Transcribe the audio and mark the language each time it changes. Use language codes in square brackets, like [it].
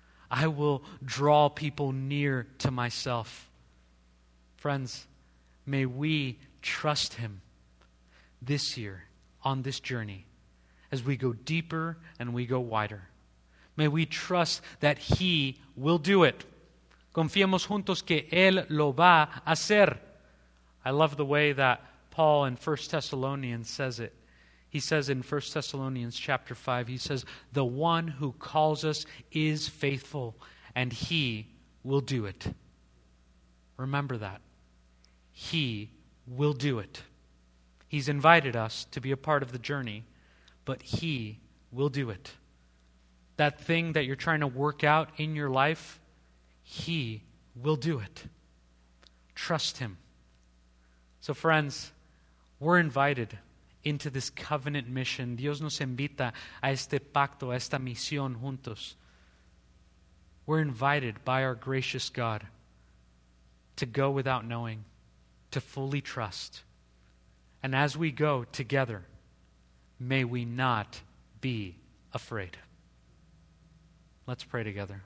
[en] I will draw people near to myself. Friends, may we trust him this year on this journey as we go deeper and we go wider. May we trust that he will do it. [es] Confiemos juntos que él lo va a hacer. [en] I love the way that Paul in 1 Thessalonians says it. He says in 1 Thessalonians chapter 5, he says, "The one who calls us is faithful, and he will do it." Remember that. He will do it. He's invited us to be a part of the journey, but he will do it. That thing that you're trying to work out in your life, he will do it. Trust him. So friends, we're invited into this covenant mission. [es] Dios nos invita a este pacto, a esta misión juntos. [en] We're invited by our gracious God to go without knowing, to fully trust. And as we go together, may we not be afraid. Let's pray together.